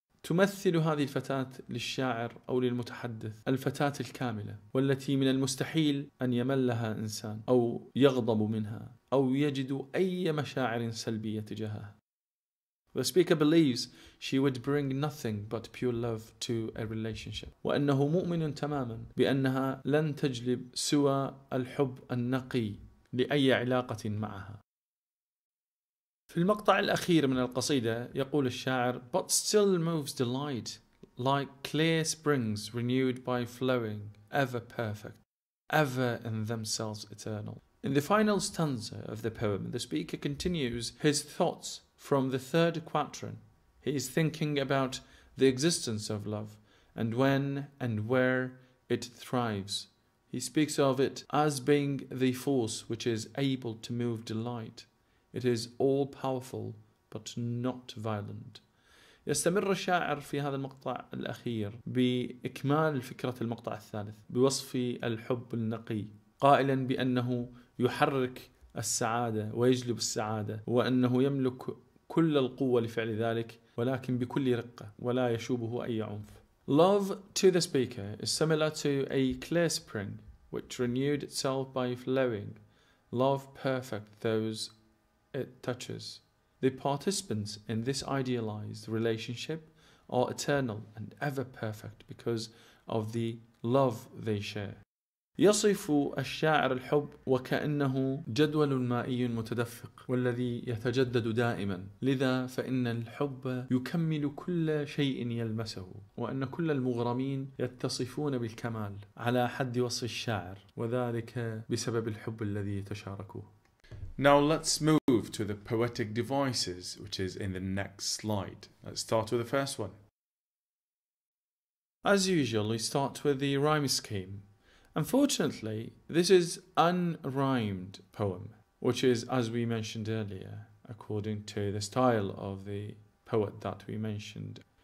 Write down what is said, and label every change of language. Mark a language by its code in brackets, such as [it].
[ar] تمثل هذه الفتاة للشاعر أو للمتحدث الفتاة الكاملة والتي من المستحيل أن يملها إنسان أو يغضب منها أو يجد أي مشاعر سلبية تجاهها. [en] The speaker believes she would bring nothing but pure love to a relationship [ar] وأنه مؤمن تماما بأنها لن تجلب سوى الحب النقي لأي علاقة معها. في المقطع الأخير من القصيدة يقول الشاعر [en] But still moves delight like clear springs renewed by flowing ever perfect ever in themselves eternal. In the final stanza of the poem the speaker continues his thoughts from the third quatrain. He is thinking about the existence of love and when and where it thrives. He speaks of it as being the force which is able to move delight. It is all-powerful, but not violent. [ar] يستمر الشاعر في هذا المقطع الأخير بإكمال فكرة المقطع الثالث بوصف الحب النقي، قائلا بأنه يحرك السعادة ويجلب السعادة، وأنه يملك كل القوة لفعل ذلك ولكن بكل رقة ولا يشوبه أي عنف. [en] Love to the speaker is similar to a clear spring which renewed itself by flowing. Love perfect those it touches. The participants in this idealized relationship are eternal and ever perfect because of the love they share. [ar] يصف الشاعر الحب وكأنه جدول مائي متدفق والذي يتجدد دائما، لذا فإن الحب يكمل كل شيء يلمسه، وأن كل المغرمين يتصفون بالكمال على حد وصف الشاعر، وذلك بسبب الحب الذي يتشاركه. [en] Now let's move to the poetic devices, which is in the next slide. Let's start with the first one. As usual, we start with the rhyme scheme. Unfortunately, this is unrhymed poem, which is, as we mentioned earlier, according to the style of the poet that we mentioned.